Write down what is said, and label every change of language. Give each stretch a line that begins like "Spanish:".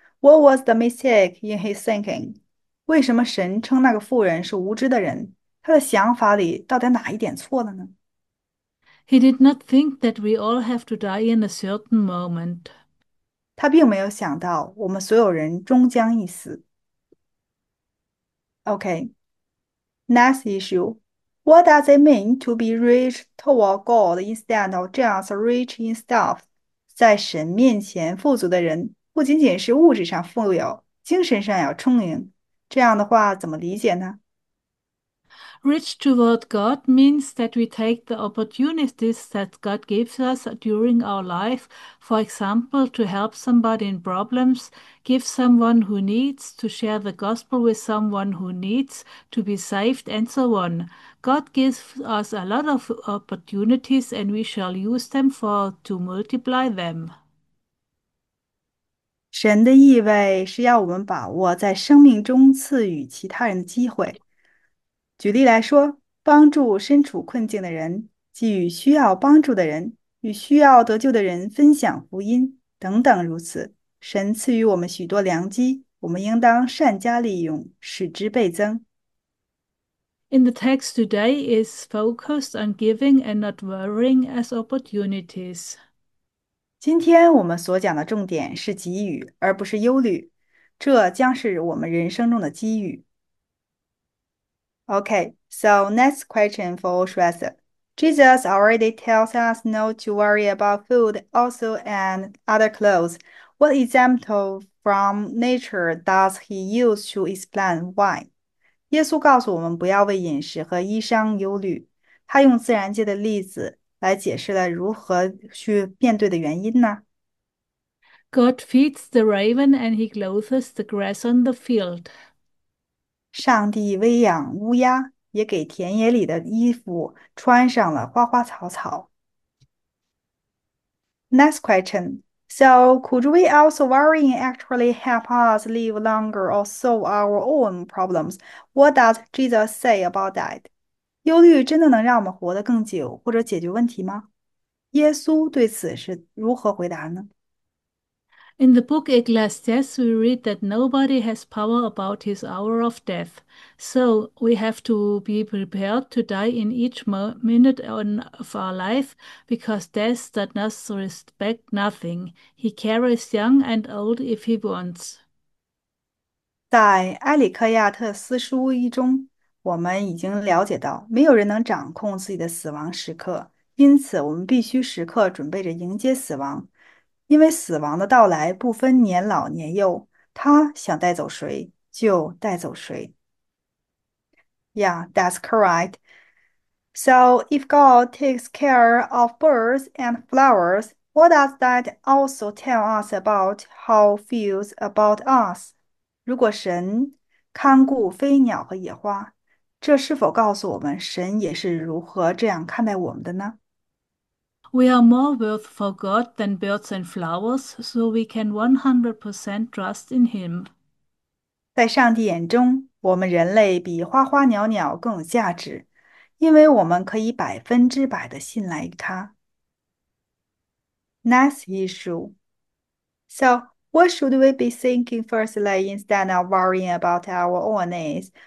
English: What was the mistake in his thinking?
Chinese: 为什么神称那个富人是无知的人？他的想法里到底哪一点错了呢？
English: He did not think that we all have to die in a certain moment.
Chinese: 他并没有想到，我们所有人终将一死。
English: OK, next issue. What does it mean to be rich toward God instead of just rich in stuff?
Chinese: 在神面前富足的人，不仅仅是物质上富有，精神上要充盈。这样的话怎么理解呢？
English: Rich toward God means that we take the opportunities that God gives us during our life, for example, to help somebody in problems, give someone who needs, to share the gospel with someone who needs to be saved, and so on. God gives us a lot of opportunities, and we shall use them to multiply them.
Chinese: 神的意味是要我们把握在生命中赐予其他人的机会。举例来说，帮助身处困境的人，给予需要帮助的人，与需要得救的人分享福音，等等如此。神赐予我们许多良机，我们应当善加利用，使之倍增。
English: In the text today is focused on giving and not worrying as opportunities.
Chinese: 今天我们所讲的重点是给予，而不是忧虑，这将是我们人生中的机遇。
English: Okay, so next question for Shrestha. Jesus already tells us not to worry about food, also, and other clothes. What example from nature does he use to explain why?
Chinese: 耶稣告诉我们不要为饮食和衣裳忧虑，他用自然界的例子来解释了如何去面对的原因呢？
English: God feeds the raven and he clothes the grass on the field.
Chinese: 上帝喂养乌鸦，也给田野里的衣服穿上了花花草草。
English: Next question. So, could we also worrying actually help us live longer or solve our own problems? What does Jesus say about that?
Chinese: 忧虑真的能让我们活得更久，或者解决问题吗？耶稣对此是如何回答呢？
English: In the book Ecclesiastes, we read that nobody has power about his hour of death, so we have to be prepared to die in each minute of our life because death does not respect nothing. He carries young and old if he wants.
Chinese: 在《埃里克亚特斯书》一中，我们已经了解到，没有人能掌控自己的死亡时刻，因此我们必须时刻准备着迎接死亡，因为死亡的到来不分年老年幼，他想带走谁就带走谁。
English: Yeah, that's correct. So if God takes care of birds and flowers, what does that also tell us about how feels about us?
Chinese: 如果神看顾飞鸟和野花，这是否告诉我们神也是如何这样看待我们的呢？
English: We are more worth for God than birds and flowers, so we can 100% trust in Him.
Chinese: 在上帝眼中，我们人类比花花鸟鸟更有价值，因为我们可以100%的信赖他。
English: Next issue. So, what should we be thinking firstly instead of worrying about our own needs?